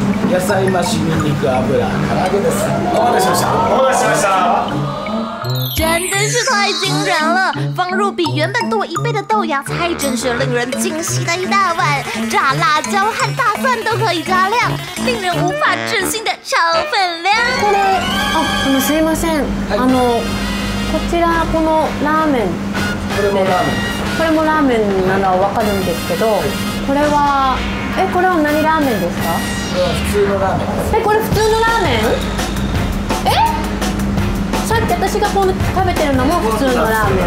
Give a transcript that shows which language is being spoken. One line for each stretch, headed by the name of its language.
Japanese: 野菜マシニンニク油からです。お待たせしました。
Chinese: 真的是太惊人了，放入比原本多一倍的豆芽菜，真是令人惊喜的一大碗。炸辣椒和大蒜都可以加量，令人无法置信的超分量。
Japanese: これ、あ、あのすいません、あのこちらこのラーメン、これもラーメン、これもラーメンなのは分かるんですけど、これはえ、これは何ラーメンですか？普通のラーメン。え、これ普通のラーメン？え？さっき私がこの食べてるのも普通のラーメン。